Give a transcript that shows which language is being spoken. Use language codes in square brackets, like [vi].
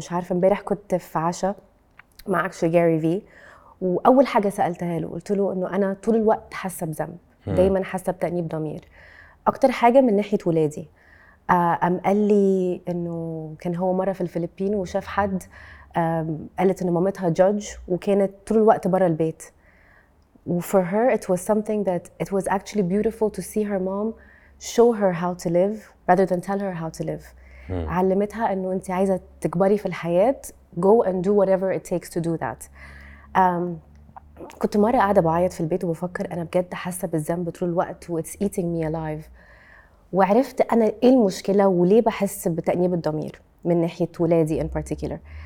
[ar] مش عارفه، امبارح كنت في عشاء مع اكشلي جاري في، وأول حاجة سألتها له قلت له أنه أنا طول الوقت حاسة بذنب، دايماً حاسة بتأنيب ضمير أكتر حاجة من ناحية ولادي. قال لي أنه كان هو مرة في الفلبين وشاف حد قالت أنه مامتها جوج وكانت طول الوقت برا البيت. [en] وفور her it was something that it was actually beautiful to see her mom show her how to live rather than tell her how to live. [ar] علمتها أنه أنت عايزة تكبري في الحياة، go and do whatever it takes to do that. كنت مرة قاعدة بعيط في البيت وبفكر أنا بجد حاسة بالذنب طول الوقت و it's eating me alive. وعرفت أنا إيه المشكلة وليه بحس بتأنيب الضمير من ناحية ولادي in particular.